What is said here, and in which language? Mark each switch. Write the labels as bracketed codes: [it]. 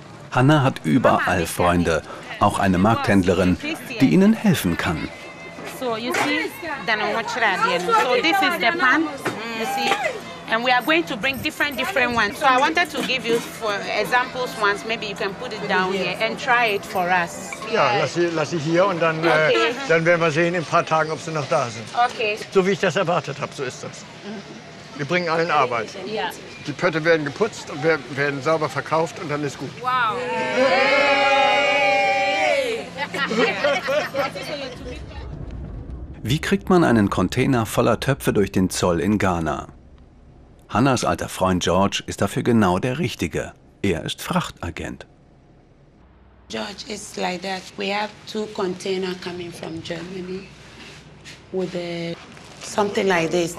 [de] Hanna hat überall Freunde, auch eine Markthändlerin, die ihnen helfen kann. [en] So, you see, then I'm watch that again. So, this is the pan, you see. And we are going to bring different ones. So, I wanted to give you for examples ones. Maybe you can put it down here and try it for us. [de] Ja, lass sie hier und dann, okay. Dann werden wir sehen in ein paar Tagen, ob sie noch da sind. Okay. So wie ich das erwartet habe, so ist das. Wir bringen allen Arbeit. Ja. Die Pötte werden geputzt und werden sauber verkauft und dann ist gut. Wie kriegt man einen Container voller Töpfe durch den Zoll in Ghana? Hannas alter Freund George ist dafür genau der Richtige. Er ist Frachtagent. [en] George, it's like that. We have two containers coming from Germany with something like this.